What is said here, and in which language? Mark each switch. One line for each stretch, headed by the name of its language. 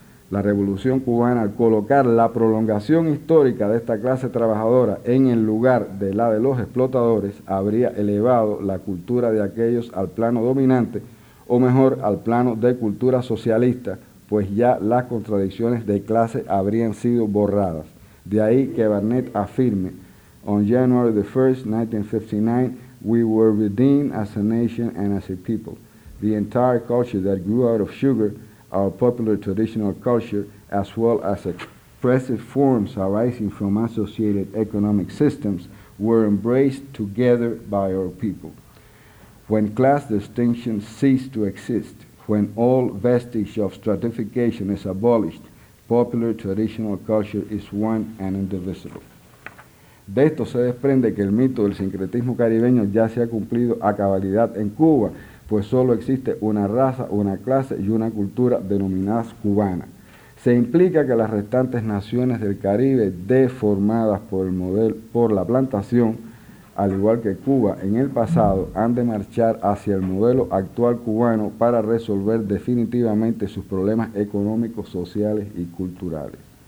Spanish: La revolución cubana, al colocar la prolongación histórica de esta clase trabajadora en el lugar de la de los explotadores, habría elevado la cultura de aquellos al plano dominante, o mejor, al plano de cultura socialista, pues ya las contradicciones de clase habrían sido borradas. De ahí que Barnett afirme,
English: on January the 1st, 1959, we were redeemed as a nation and as a people. The entire culture that grew out of sugar, our popular traditional culture, as well as expressive forms arising from associated economic systems, were embraced together by our people. When class distinctions ceased to exist, when all vestige of stratification is abolished, popular traditional culture is one and indivisible.
Spanish: De esto se desprende que el mito del sincretismo caribeño ya se ha cumplido a cabalidad en Cuba, pues solo existe una raza, una clase y una cultura denominadas cubana. Se implica que las restantes naciones del Caribe, deformadas por el modelo, por la plantación, al igual que Cuba en el pasado, han de marchar hacia el modelo actual cubano para resolver definitivamente sus problemas económicos, sociales y culturales.